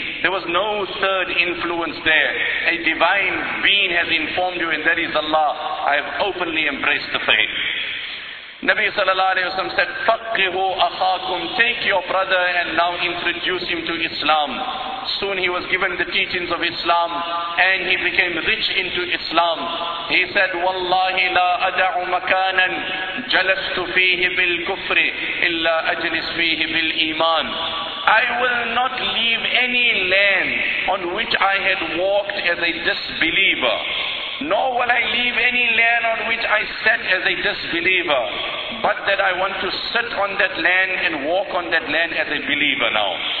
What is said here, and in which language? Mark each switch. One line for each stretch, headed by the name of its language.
English: There was no third influence there. A divine being has informed you and that is Allah. I have openly embraced the faith. Nabi sallallahu alayhi wa sallam said,
Arabic: فَقِّهُ أَخَاكُمْ.
English: Take your brother and now introduce him to Islam. Soon he was given the teachings of Islam and he became rich into Islam.
Arabic: He said, وَاللَّهِ لَا أَدَعُ مَكَانًا جَلَسْتُ فِيهِ بِالْكُفْرِ إِلَّا أَجْلِسْ فِيهِ بِالْإِيمَانِ.
English: I will not leave any land on which I had walked as a disbeliever. Nor will I leave any land on which I sat as a disbeliever, but that I want to sit on that land and walk on that land as a believer now.